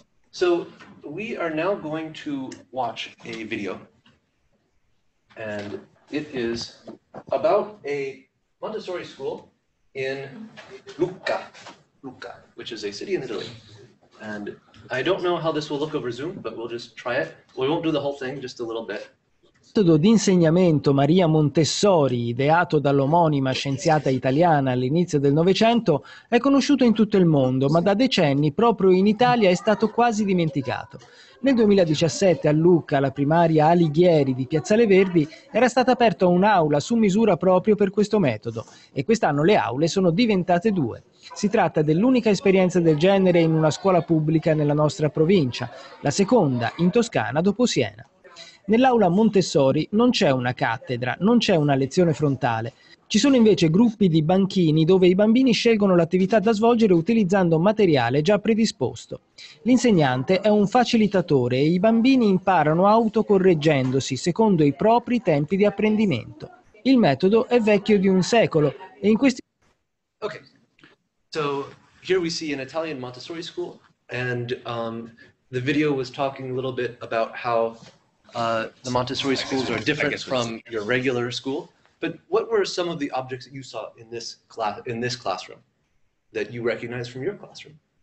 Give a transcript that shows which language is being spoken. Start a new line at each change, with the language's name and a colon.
English: So we are now going to watch a video, and it is about a Montessori school in Lucca, Lucca, which is a city in Italy. And I don't know how this will look over Zoom, but we'll just try it. We won't do the whole thing, just a little bit.
Italian: Metodo di insegnamento Maria Montessori, ideato dall'omonima scienziata italiana all'inizio del Novecento, è conosciuto in tutto il mondo, ma da decenni proprio in Italia è stato quasi dimenticato. Nel 2017 a Lucca, la primaria Alighieri di Piazzale Verdi, era stata aperta un'aula su misura proprio per questo metodo e quest'anno le aule sono diventate due. Si tratta dell'unica esperienza del genere in una scuola pubblica nella nostra provincia, la seconda in Toscana dopo Siena. Nell'aula Montessori non c'è una cattedra, non c'è una lezione frontale. Ci sono invece gruppi di banchini dove i bambini scelgono l'attività da svolgere utilizzando materiale già predisposto. L'insegnante è un facilitatore e i bambini imparano autocorreggendosi secondo i propri tempi di apprendimento. Il metodo è vecchio di un secolo e in questi...
English: Ok, so here we see an Italian Montessori school and the video was talking a little bit about how the Montessori schools are different from your regular school, but what were some of the objects that you saw in this class, in this classroom, that you recognize from your classroom?